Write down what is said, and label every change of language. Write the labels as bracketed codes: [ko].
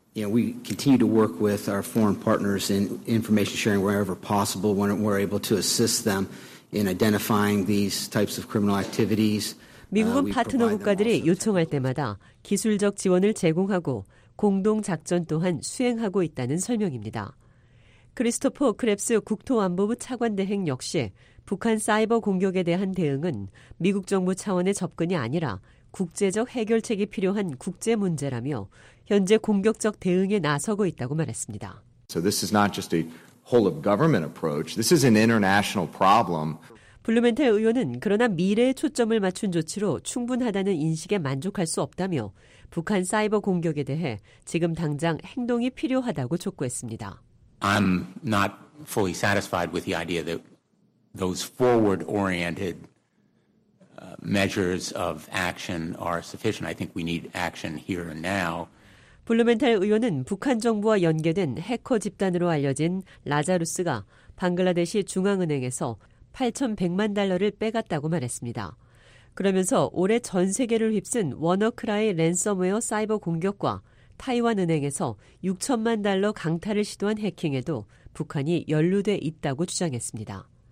[en] You know, we continue to work with our foreign partners in information sharing wherever possible when we're able to assist them in identifying these types of criminal activities. [ko] 미국은 파트너 국가들이 요청할 때마다 기술적 지원을 제공하고 공동 작전 또한 수행하고 있다는 설명입니다. 크리스토퍼 크랩스 국토안보부 차관대행 역시 북한 사이버 공격에 대한 대응은 미국 정부 차원의 접근이 아니라 국제적 해결책이 필요한 국제 문제라며 현재 공격적 대응에 나서고 있다고 말했습니다. [en] So this is not just a whole of government approach. This is an international problem. [ko] 블루멘탈 의원은 그러나 미래에 초점을 맞춘 조치로 충분하다는 인식에 만족할 수 없다며 북한 사이버 공격에 대해 지금 당장 행동이 필요하다고 촉구했습니다. [en] I'm not fully satisfied with the idea that those forward-oriented measures of action are sufficient. I think we need action here and now. [ko] 블루멘탈 의원은 북한 정부와 연계된 해커 집단으로 알려진 라자루스가 방글라데시 중앙은행에서 8,100만 달러를 빼갔다고 말했습니다. 그러면서 올해 전 세계를 휩쓴 워너크라이 랜섬웨어 사이버 공격과 타이완 은행에서 6천만 달러 강탈을 시도한 해킹에도 북한이 연루돼 있다고 주장했습니다.